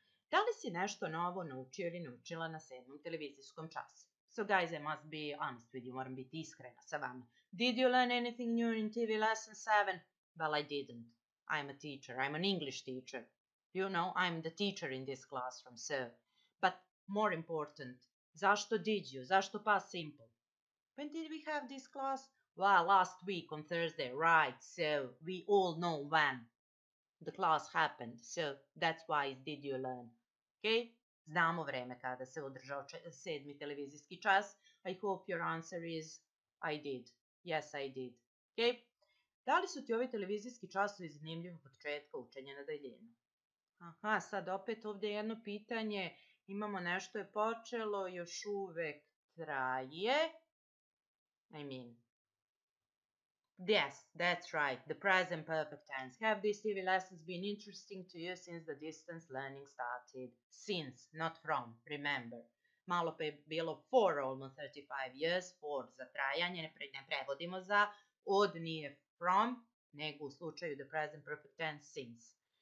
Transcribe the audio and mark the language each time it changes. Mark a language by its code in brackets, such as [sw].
[sr] Da li si nešto novo naučio ili naučila na 7. televizijskom času? [en] So guys, I must be honest with you, [sr] moram biti iskrena sa vama. [en] Did you learn anything new in TV lesson 7? Well, I didn't. I'm a teacher, I'm an English teacher. You know, I'm the teacher in this classroom, sir. But more important, zašto did you? Zašto past simple? When did we have this class? Well, last week on Thursday, right, so we all know when the class happened, so that's why did you learn, okay? [sr] Znamo vreme kada se održao sedmi televizijski čas. [en] I hope your answer is I did. Yes, I did. Okay? [sr] Da li su ti ovi televizijski časovi zanimljivi početka učenja na daljinu? Aha, sad opet ovdje jedno pitanje. Imamo nešto je počelo, još uvek traje. [en] I mean. Yes, that's right. The present perfect tense. Have these TV lessons been interesting to you since the distance learning started? Since, not from, remember. [sr] Malo pa je bilo [en] for almost 35 years, [sr] for za trajanje, ne prevodimo za, od nije from, nego u slučaju [en] the present perfect tense, since.